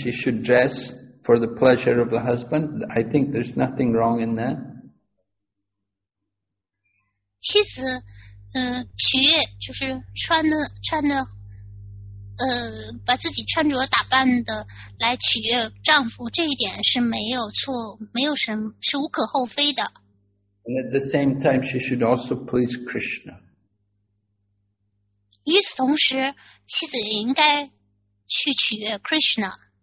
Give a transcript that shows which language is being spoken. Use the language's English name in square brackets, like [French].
[English] She should dress for the pleasure of the husband. I think there's nothing wrong in that. [Chinese] 妻子取悦，就是穿的，把自己穿着打扮的来取悦丈夫，这一点是没有错，没有什么，是无可厚非的。 [English] And at the same time, she should also please Krishna. [Chinese] 与此同时，妻子也应该去取悦 Krishna。